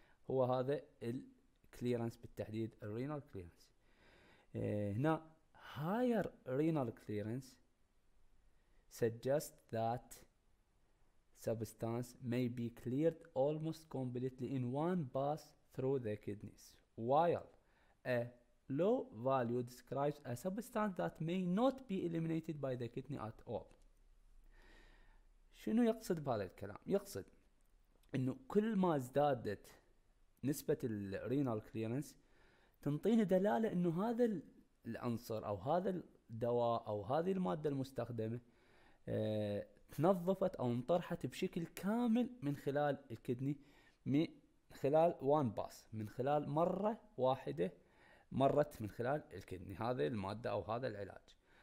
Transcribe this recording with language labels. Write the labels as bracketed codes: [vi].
[ar] هو هذا الكليرنس بالتحديد، الرينال كليرنس. هنا [en] higher renal clearance suggests that substance may be cleared almost completely in one pass through the kidneys, while a low value describes a substance that may not be eliminated by the kidney at all. [ar] شنو يقصد بهذا الكلام؟ يقصد انه كل ما ازدادت نسبة الرينال كليرنس تنطيني دلالة انه هذا العنصر او هذا الدواء او هذه المادة المستخدمة تنظفت او انطرحت بشكل كامل من خلال الكدني، من خلال وان باس، من خلال مرة واحدة مرت من خلال الكدني هذه المادة او هذا العلاج.